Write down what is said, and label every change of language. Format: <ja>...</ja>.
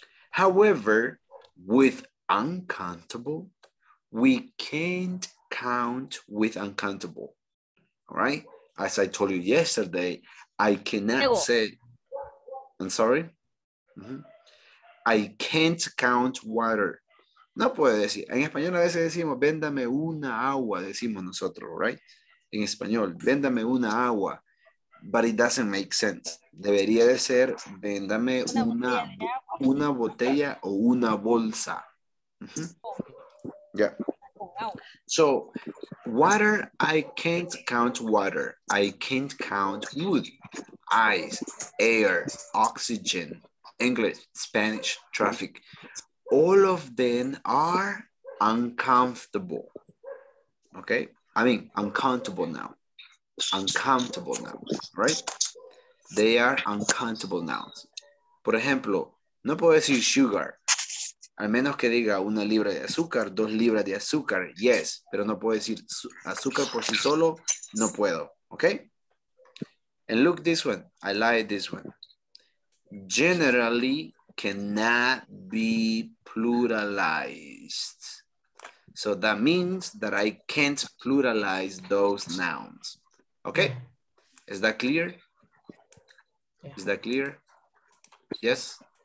<en>However, with uncountable, we can't count with uncountable, all right? as I told you yesterday, I cannot say, I'm sorry. I can't count water.</en> <es>No puede decir. En español a veces decimos, véndame una agua, decimos nosotros, right? En español, véndame una agua.</es> <en>But it doesn't make sense.</en> <es>Debería de ser, véndame una botella o una bolsa.</es> <en>Yeah. So, water, I can't count water. I can't count wood, ice, air, oxygen, English, Spanish, traffic. All of them are uncomfortable. Okay? I mean, uncountable now. Uncountable nouns, right? They are uncountable nouns.</en> <es>Por ejemplo, no puedo decir</es> <en>sugar.</en> <es>Al menos que diga una libra de azúcar, dos libras de azúcar, yes. Pero no puedo decir azúcar por sí solo, no puedo, okay?</es> <en>And look this one, I like this one. Generally cannot be pluralized. So that means that I can't pluralize those nouns. Okay, is that clear? Yeah. Is that clear? Yes?</en>